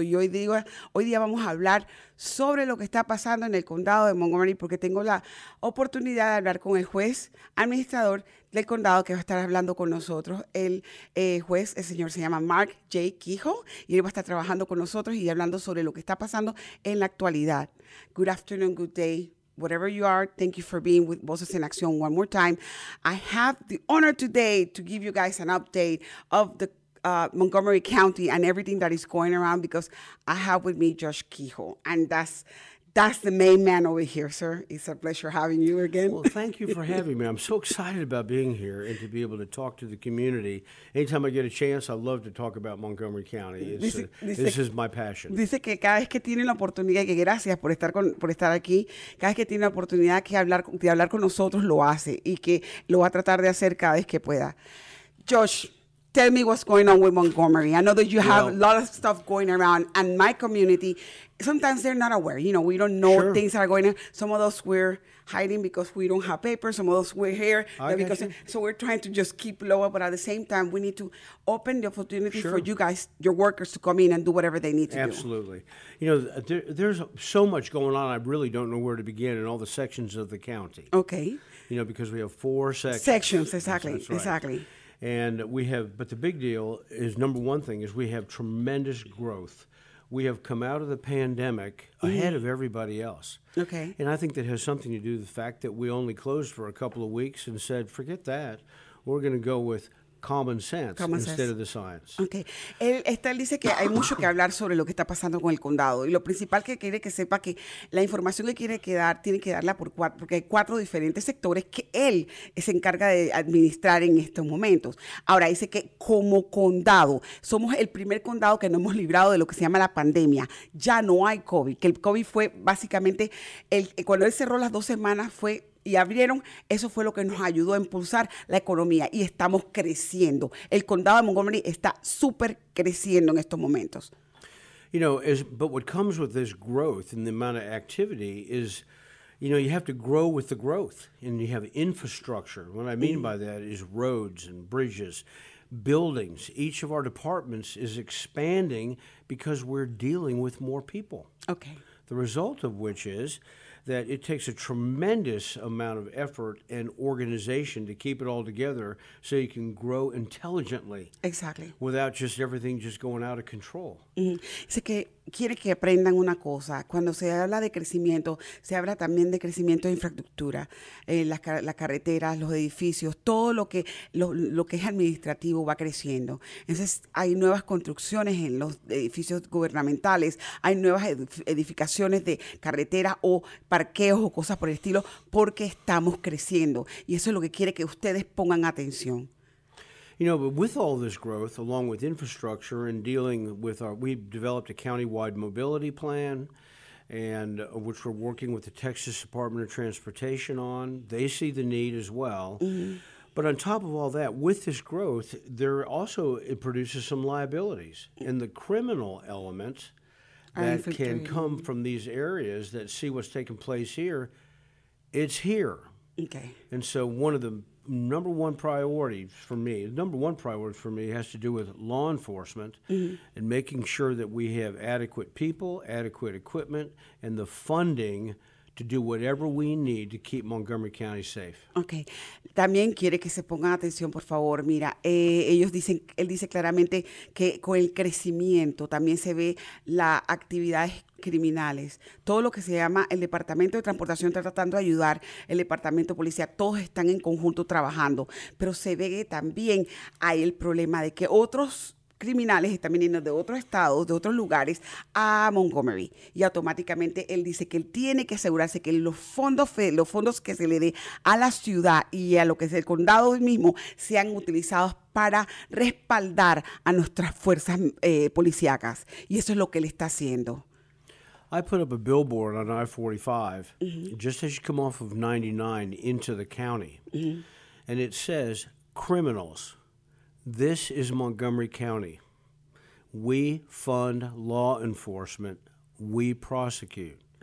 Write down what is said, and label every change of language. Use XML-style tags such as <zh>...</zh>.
<es>Y hoy día vamos a hablar sobre lo que está pasando en el condado de Montgomery, porque tengo la oportunidad de hablar con el juez administrador del condado que va a estar hablando con nosotros. El señor se llama Mark J. Kehoe y él va a estar trabajando con nosotros y hablando sobre lo que está pasando en la actualidad.</es> <en>Good afternoon, good day. Whatever you are, thank you for being with Voces en Acción one more time. I have the honor today to give you guys an update of the Montgomery County and everything that is going around, because I have with me Josh Kehoe, and that's the main man over here, sir. It's a pleasure having you again. Well, thank you for having me. I'm so excited about being here and to be able to talk to the community. Anytime I get a chance, I love to talk about Montgomery County. This is my passion.</en> <es>Dice que cada vez que tiene la oportunidad, que gracias por estar aquí, cada vez que tiene la oportunidad de hablar con nosotros, lo hace y que lo va a tratar de hacer cada vez que pueda.</es> <en>Josh, tell me what's going on with Montgomery. I know that you have a lot of stuff going around, and my community, sometimes they're not aware. You know, we don't know things that are going on. Some of us, we're hiding because we don't have papers. Some of us, we're here. So we're trying to just keep low, but at the same time, we need to open the opportunity for you guys, your workers, to come in and do whatever they need to do. You know, there's so much going on, I really don't know where to begin in all the sections of the county. Okay. You know, because we have four sections. Exactly. And we have, but the big deal is, number one thing is, we have tremendous growth. We have come out of the pandemic ahead of everybody else. Okay. And I think that has something to do with the fact that we only closed for a couple of weeks and said, forget that, we're going to go with common sense instead of the science. Okay.</en> <es>Él dice que hay mucho que hablar sobre lo que está pasando con el condado. Y lo principal que quiere que sepa, que la información que quiere quedar, tiene que darla por cuatro, porque hay cuatro diferentes sectores que él se encarga de administrar en estos momentos. Ahora, dice que como condado, somos el primer condado que nos hemos librado de lo que se llama la pandemia. Ya no hay COVID. Que el COVID fue básicamente, cuando él cerró las dos semanas, fue... y abrieron, eso fue lo que nos ayudó a impulsar la economía y estamos creciendo. El condado de Montgomery está súper creciendo en estos momentos.</es> <en>You know, but what comes with this growth and the amount of activity is, you know, you have to grow with the growth and you have infrastructure. What I mean by that is roads and bridges, buildings. Each of our departments is expanding because we're dealing with more people. Okay. The result of which is that it takes a tremendous amount of effort and organization to keep it all together so you can grow intelligently. Exactly. Without just everything just going out of control.</en> <es>Dice que quiere que aprendan una cosa. Cuando se habla de crecimiento, se habla también de crecimiento de infraestructura. Las carreteras, los edificios, todo lo que es administrativo va creciendo. Entonces, hay nuevas construcciones en los edificios gubernamentales. Hay nuevas edificaciones de carreteras o parqueos o cosas por el estilo, porque estamos creciendo. Y eso es lo que quiere que ustedes pongan atención.</es> <en>You know, but with all this growth, along with infrastructure and dealing with we've developed a countywide mobility plan, and which we're working with the Texas Department of Transportation on. They see the need as well. But on top of all that, with this growth, it produces some liabilities. And the criminal element that can come from these areas that see what's taking place here, it's here. Okay. And so one of the number one priority for me, has to do with law enforcement and making sure that we have adequate people, adequate equipment, and the funding to do whatever we need to keep Montgomery County safe. Okay.</en> <es>También quiere que se pongan atención, por favor. Mira, ellos dicen, él dice claramente que con el crecimiento también se ve la actividad criminales, todo lo que se llama el Departamento de Transportación está tratando de ayudar, el Departamento de Policía, todos están en conjunto trabajando, pero se ve que también hay el problema de que otros criminales están viniendo de otros estados, de otros lugares a Montgomery, y automáticamente él dice que él tiene que asegurarse que los fondos que se le dé a la ciudad y a lo que es el condado mismo sean utilizados para respaldar a nuestras fuerzas policíacas, y eso es lo que él está haciendo.</es> <en>I put up a billboard on I-45 just as you come off of 99 into the county, and it says, criminals, this is Montgomery County. We fund law enforcement. We prosecute.</en>